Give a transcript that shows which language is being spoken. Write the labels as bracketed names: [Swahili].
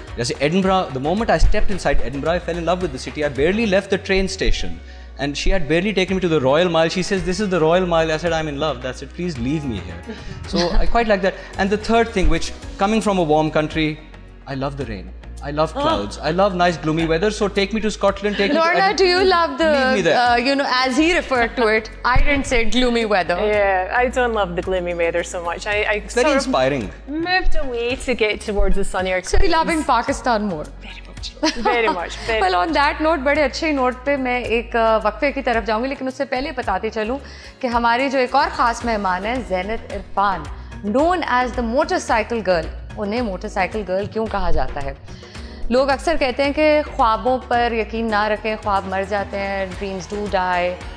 [English] जैसे Edinburgh, the moment I stepped inside Edinburgh I fell in love with the city. I barely left the train station and she had barely taken me to the Royal Mile. She says this is the Royal Mile. I said I am in love, that's it, please leave me here. So I quite like that. And the third thing which coming from a warm country, I love the rain. I love clouds. Oh. I love nice gloomy weather. So take me to Scotland. Lorna, do you love the, you know, as he referred to it, I didn't say gloomy weather. Yeah, I don't love the gloomy weather so much. I it's very inspiring. Moved away to get towards the sunnier climes. So you're loving Pakistan more. Very much. Well, on that note, [Hindi] बड़े अच्छे note पे मैं एक वक्फे की तरफ जाऊंगी, लेकिन उससे पहले बताते चलूं कि हमारे जो एक और खास मेहमान है, ज़ैनत Irfan, [English] known as the motorcycle girl. [Hindi] उन्हें मोटरसाइकिल गर्ल क्यों कहा जाता है? लोग अक्सर कहते हैं कि ख्वाबों पर यकीन ना रखें, ख्वाब मर जाते हैं, [English] Dreams do die.